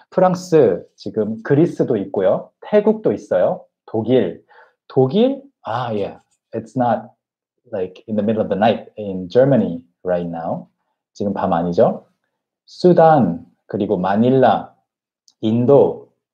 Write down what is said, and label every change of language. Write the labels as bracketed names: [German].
[Korean] 프랑스, 지금 그리스도 있고요. 태국도 있어요. 독일. 독일? [English] Ah, yeah. It's not like in the middle of the night in Germany right now. [Korean] 지금 밤 아니죠? 수단, 그리고 마닐라, 인도.